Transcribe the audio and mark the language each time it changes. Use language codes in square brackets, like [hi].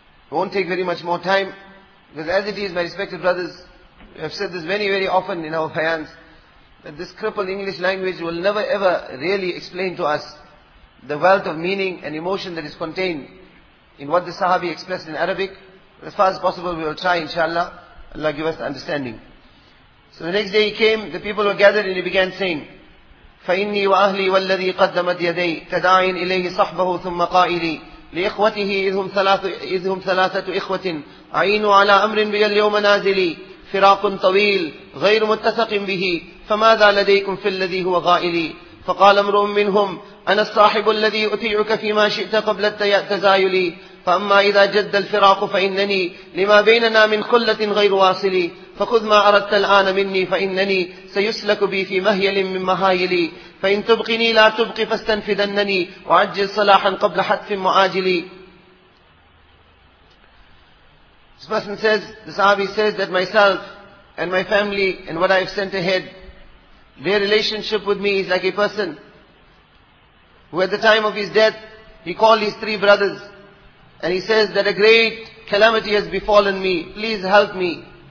[en] It won't take very much more time. Because as it is, my respected brothers, we have said this very, very often in our bayans, that this crippled English language will never ever really explain to us the wealth of meaning and emotion that is contained in what the Sahabi expressed in Arabic. As far as possible, we will try, inshallah. Allah give us the understanding. So the next day he came, the people were gathered and he began saying, [ar] فَإِنِّي وَأَهْلِي وَالَّذِي قَدَّمَتْ يَدَيْ تَدَاعٍ إِلَيْهِ صَحْبَهُ ثُمَّ قَائِلِي لِإِخْوَتِهِ إِذْ هُمْ ثَلَاثَةُ إِخْوَةٍ عَيْنُوا عَلَىٰ أَمْرٍ بِيَ الْيَوْمَ نَازِلِي فِرَاقٌ طَوِيلٌ غَيْرُ مُتَّفَقٍ بِهِ فَمَاذَا لَدَيْكُمْ فِي الَّذِي هُوَ غَائِلِي فقال امرؤ منهم أنا الصاحب الذي أطيعك فيما شئت قبل التزايل فأما إذا جد الفراق فإنني لما بيننا من خلة غير واصلي فخذ ما أردت الآن مني فإنني سيسلك بي في مهيل من مهايلي فإن تبقني لا تبقي فاستنفذنني وعجل صلاحا قبل حتف معاجلي. [en] This person says, this Sahabi says that myself and my family and what I have sent ahead, their relationship with me is like a person who at the time of his death, he called his three brothers and he says that a great calamity has befallen me, please help me.